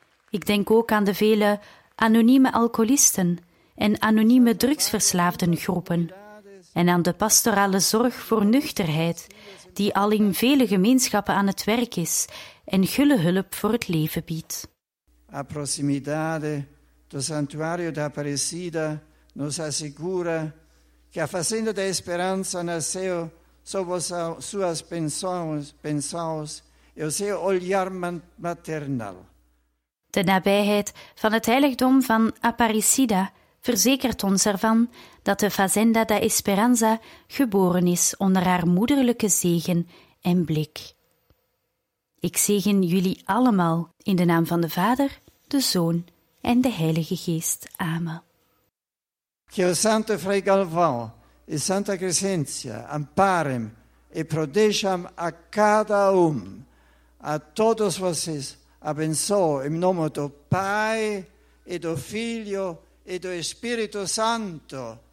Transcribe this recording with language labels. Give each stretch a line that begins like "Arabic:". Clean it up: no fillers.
Dutch: Ik denk ook aan de vele anonieme alcoholisten en anonieme drugsverslaafdengroepen en aan de pastorale zorg voor nuchterheid die al in vele gemeenschappen aan het werk is en gulle hulp voor het leven biedt.
Portuguese: A prossimidade do santuário da Aparecida nos assegura que a fazenda da esperança nasceu sob suas bênçãos e o seu olhar maternal.
Dutch: De nabijheid van het heiligdom van Aparecida verzekert ons ervan dat de Fazenda da Esperanza geboren is onder haar moederlijke zegen en blik. Ik zegen jullie allemaal in de naam van de Vader, de Zoon en de Heilige Geest. Amen.
Portuguese: Que o Santo Frei Galvão e Santa Crescência amparem e protejam a cada a todos vocês. Abençoe em nome do Pai e do Filho e do Espírito Santo.